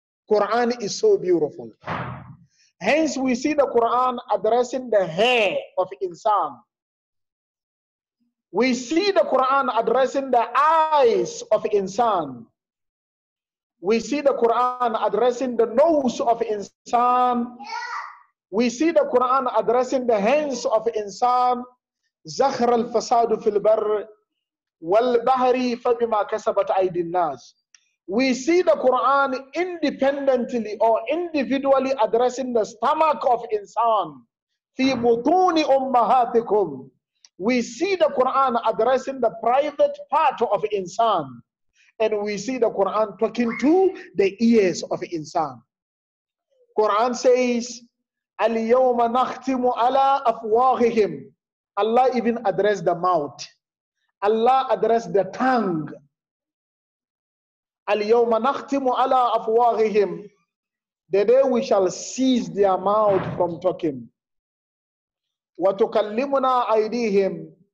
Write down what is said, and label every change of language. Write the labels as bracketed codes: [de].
[en] Quran is so beautiful. Hence, we see the Quran addressing the hair of insan. We see the Quran addressing the eyes of insan. We see the Quran addressing the nose of insan. We see the Quran addressing the hands of insan. [ar] زخر الفساد في البر والبحر فبما كسبت أيدي الناس. [en] We see the Quran independently or individually addressing the stomach of insan. [ar] في بطون أمهاتكم. [en] We see the Quran addressing the private part of insan. And we see the Quran talking to the ears of insan. Quran says, [ar] اليوم نختم على أفواههم. [en] Allah even addressed the mouth. Allah addressed the tongue. [ar] اليوم نختم على أفواههم. [en] The day we shall seize their mouth from talking. [ar] وتكلمنا أيديهم.